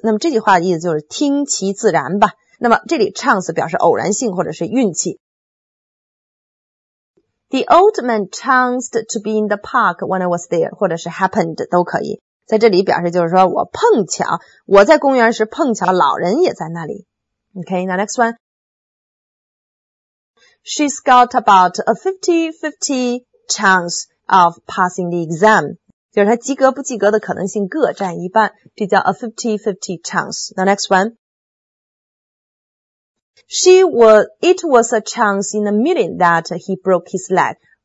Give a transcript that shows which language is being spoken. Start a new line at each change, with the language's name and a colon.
Chinese: 那么这句话的意思就是听其自然吧。那么这里 chance 表示偶然性或者是运气。
English: The old man chanced to be in the park when I was there,
Chinese: 或者是
English: happened,
Chinese: 都可以。在这里表示就是说我碰巧，我在公园时碰巧老人也在那里。
English: Okay, now next one. She's got about a 50-50 chance of passing the exam.
Chinese: 就是她及格不及格的可能性各占一半，这叫 a 50-50 chance.
English: Now next one. It was a chance in a million that he broke his leg.